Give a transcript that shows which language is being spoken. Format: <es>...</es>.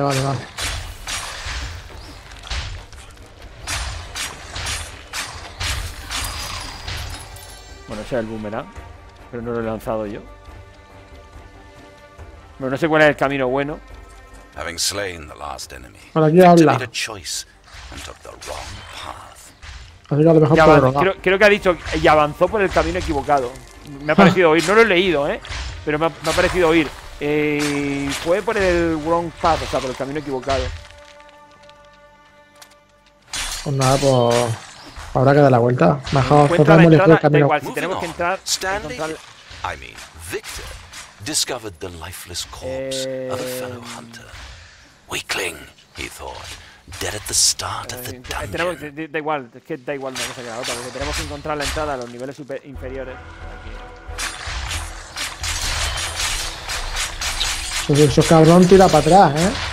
<es>Bueno, ese es el boomerang. Pero no lo he lanzado yo. Bueno, no sé cuál es el camino bueno.</es> <en>Having slain the last enemy,</en> <es>bueno, aquí habla.</es> <en>Made a choice and took the wrong path.</en> <es>Así que a lo mejor puedo rogar. Creo que ha dicho. Y avanzó por el camino equivocado. Me ha parecido oír. No lo he leído, ¿eh? Pero me ha parecido oír. Fue por el wrong path, o sea, por el camino equivocado. Pues nada, pues. Habrá que dar la vuelta. Mejor cerramos el camino. Igual, si tenemos que entrar.</es> <en>I mean, Victor discovered the lifeless corpse of a fellow hunter. Weakling, he thought. Dead at the start of the dungeon.</en> <es>Tenemos, da igual, es que da igual una cosa que la otra, porque tenemos que encontrar la entrada a los niveles inferiores. Eso cabrón tira para atrás, ¿eh?</es>